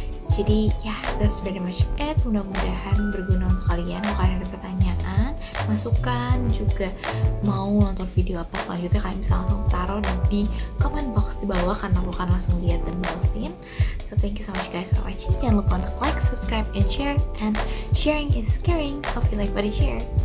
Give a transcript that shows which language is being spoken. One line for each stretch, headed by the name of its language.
Indonesian: Jadi ya,
English: that's pretty much it.
Indonesian: Mudah-mudahan berguna untuk kalian. Kalau kalian ada pertanyaan, masukan, juga mau nonton video apa selanjutnya, kalian bisa langsung taruh di comment box di bawah karena aku akan langsung lihat dan balesin.
English: So thank you so much guys for watching.
Indonesian: Jangan lupa untuk
English: like, subscribe, and share. And sharing is caring. Hope you like what you share.